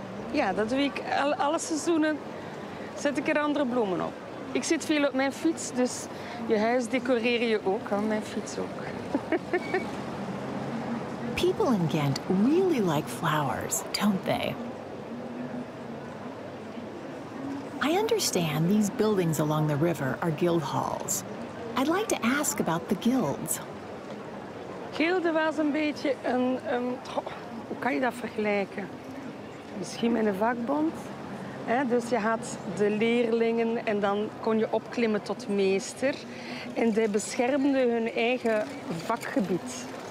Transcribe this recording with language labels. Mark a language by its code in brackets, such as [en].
[nl] Ja, dat doe ik alle seizoenen. Zet ik er andere bloemen op. Ik zit veel op mijn fiets, dus je huis decoreer je ook, hè? Mijn fiets ook. [en] People in Ghent really like flowers, don't they? I understand these buildings along the river are guild halls. I'd like to ask about the guilds. [nl] Gilde was een beetje een... hoe kan je dat vergelijken? Misschien met een vakbond? He, dus je had de leerlingen en dan kon je opklimmen tot meester. En die beschermden hun eigen vakgebied.